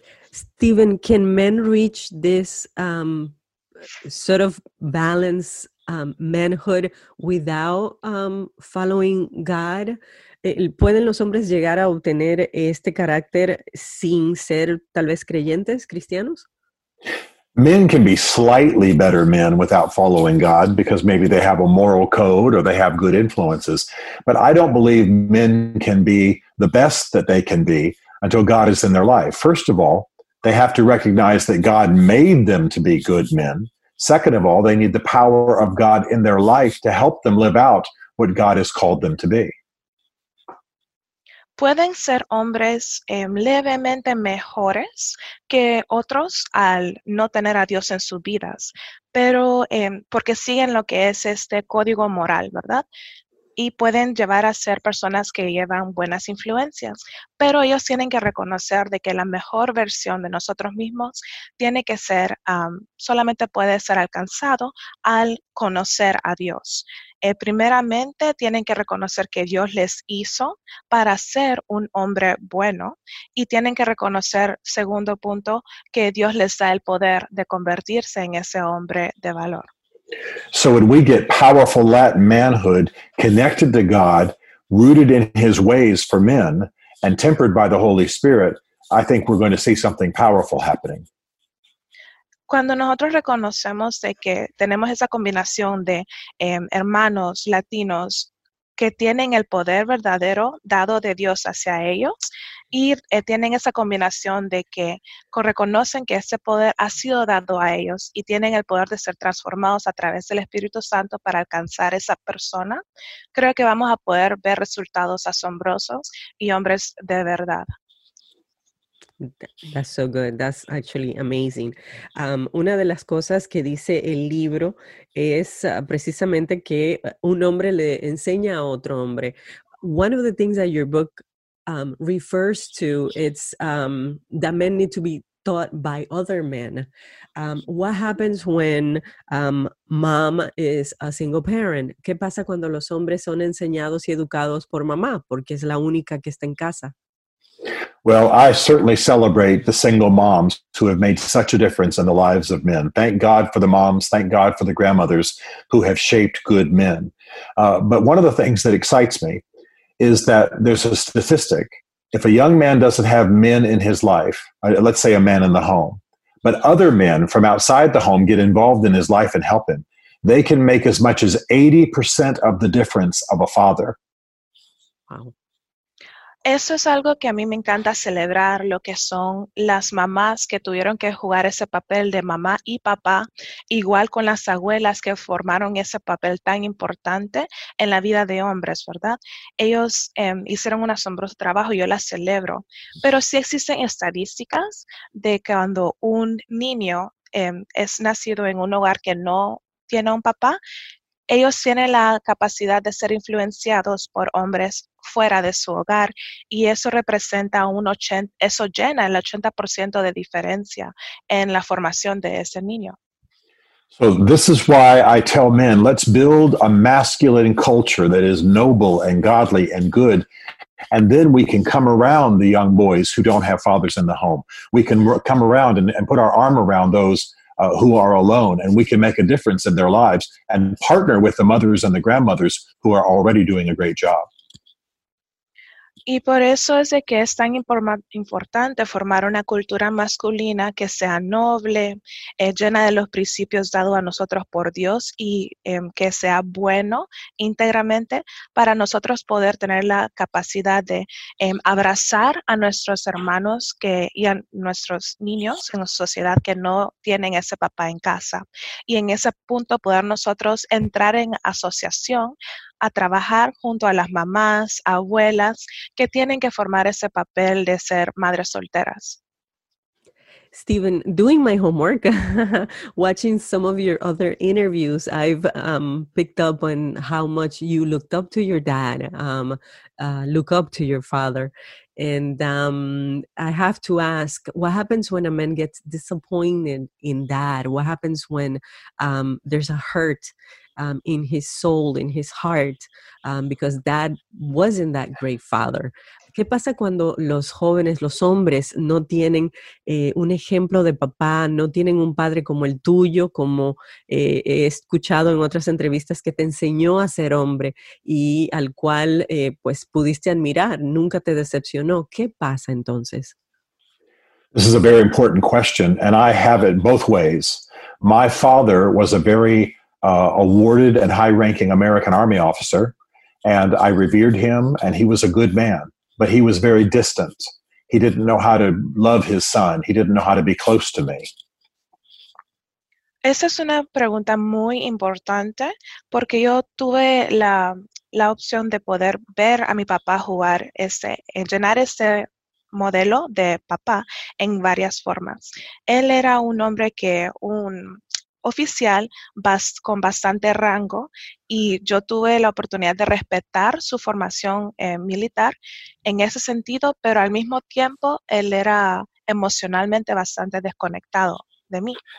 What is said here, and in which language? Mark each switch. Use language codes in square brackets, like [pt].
[en] Stephen, can men reach this sort of balance manhood without following God? [es] ¿Pueden los hombres llegar a obtener este carácter sin ser tal vez creyentes, cristianos? [en] Men can be slightly better men without following God because maybe they have a moral code or they have good influences. But I don't believe men can be the best that they can be until God is in their life. First of all, they have to recognize that God made them to be good men. Second of all, they need the power of God in their life to help them live out what God has called them to be. [es] pueden ser hombres levemente mejores que otros al no tener a Dios en sus vidas, pero porque siguen lo que es este código moral, ¿verdad? Y pueden llevar a ser personas que llevan buenas influencias. Pero ellos tienen que reconocer de que la mejor versión de nosotros mismos tiene que ser, solamente puede ser alcanzado al conocer a Dios. Primeramente, tienen que reconocer que Dios les hizo para ser un hombre bueno. Y tienen que reconocer, segundo punto, que Dios les da el poder de convertirse en ese hombre de valor. [en] So when we get powerful Latin manhood connected to God, rooted in his ways for men, and tempered by the Holy Spirit, I think we're going to see something powerful happening. [es] Cuando nosotros reconocemos de que tenemos esa combinación de hermanos latinos que tienen el poder verdadero dado de Dios hacia ellos, y tienen esa combinación de que reconocen que ese poder ha sido dado a ellos y tienen el poder de ser transformados a través del Espíritu Santo para alcanzar esa persona, creo que vamos a poder ver resultados asombrosos y hombres de verdad. [en] That's so good. That's actually amazing. [es] Una de las cosas que dice el libro es precisamente que un hombre le enseña a otro hombre. [en] One of the things that your book refers to, it's that men need to be taught by other men. What happens when mom is a single parent? [es] ¿Qué pasa cuando los hombres son enseñados y educados por mamá? Porque es la única que está en casa. [en] Well, I certainly celebrate the single moms who have made such a difference in the lives of men. Thank God for the moms, thank God for the grandmothers who have shaped good men. But one of the things that excites me is that there's a statistic. If a young man doesn't have men in his life, let's say a man in the home, but other men from outside the home get involved in his life and help him, they can make as much as 80% of the difference of a father. Wow. [es] Eso es algo que a mí me encanta celebrar, lo que son las mamás que tuvieron que jugar ese papel de mamá y papá, igual con las abuelas que formaron ese papel tan importante en la vida de hombres, ¿verdad? Ellos hicieron un asombroso trabajo, yo las celebro. Pero sí existen estadísticas de que cuando un niño es nacido en un hogar que no tiene un papá, ellos tienen la capacidad de ser influenciados por hombres fuera de su hogar, y eso representa un 80, eso llena el 80% de diferencia en la formación de ese niño. [en] So this is why I tell men, let's build a masculine culture that is noble and godly and good, and then we can come around the young boys who don't have fathers in the home. We can come around and put our arm around those who are alone, and we can make a difference in their lives and partner with the mothers and the grandmothers who are already doing a great job. [es] Y por eso es de que es tan importante formar una cultura masculina que sea noble, llena de los principios dados a nosotros por Dios y que sea bueno íntegramente para nosotros poder tener la capacidad de abrazar a nuestros hermanos que, y a nuestros niños en la sociedad que no tienen ese papá en casa. Y en ese punto poder nosotros entrar en asociación a trabajar junto a las mamás, abuelas, que tienen que formar ese papel de ser madres solteras. [en] Stephen, doing my homework, watching some of your other interviews, I've picked up on how much you looked up to your dad, look up to your father. And I have to ask, what happens when a man gets disappointed in dad? What happens when there's a hurt in his soul, in his heart, because dad wasn't that great father? [es] ¿Qué pasa cuando los jóvenes, los hombres, no tienen un ejemplo de papá, no tienen un padre como el tuyo, como he escuchado en otras entrevistas que te enseñó a ser hombre y al cual pues pudiste admirar, nunca te decepcionó? ¿Qué pasa entonces? [en] This is a very important question, and I have it both ways. My father was a very awarded and high-ranking American Army officer, and I revered him, and he was a good man. But he was very distant. He didn't know how to love his son. He didn't know how to be close to me. [es] Esa es una pregunta muy importante porque yo tuve la la opción de poder ver a mi papá jugar ese, llenar ese modelo de papá en varias formas. Él era un hombre que un oficial con bastante rango y yo tuve la oportunidad de respetar su formación militar en ese sentido, pero al mismo tiempo él era emocionalmente bastante desconectado de mí.